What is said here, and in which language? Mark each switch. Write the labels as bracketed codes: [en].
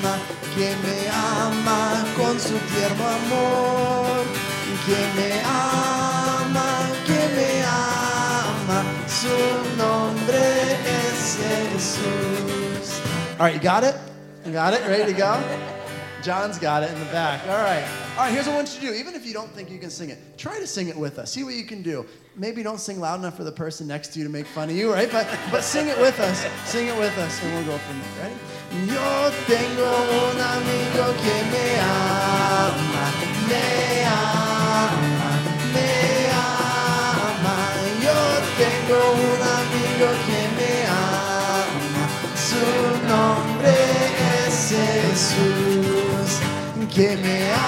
[es] Tierno amor, que me ama, su nombre es Jesús. [en] All right, you got it? You got it? Ready to go? John's got it in the back. All right. All right, here's what I want you to do. Even if you don't think you can sing it, try to sing it with us. See what you can do. Maybe don't sing loud enough for the person next to you to make fun of you, right? But sing it with us. Sing it with us, and we'll go from there. Ready? [es] Yo tengo un amigo que me ama, me ama, me ama. Yo tengo un amigo que me ama, su nombre es Jesús.